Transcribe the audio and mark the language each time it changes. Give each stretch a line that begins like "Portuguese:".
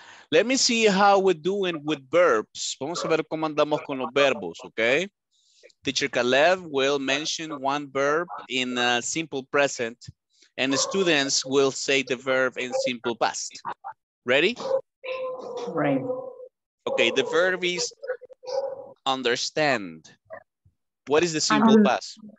English: Let me see how we're doing with verbs.
Spanish: Vamos a ver cómo andamos con los verbos, okay?
English: Teacher Caleb will mention one verb in a simple present, and the students will say the verb in simple past. Ready? Right. Okay, the verb is understand. What is the simple past?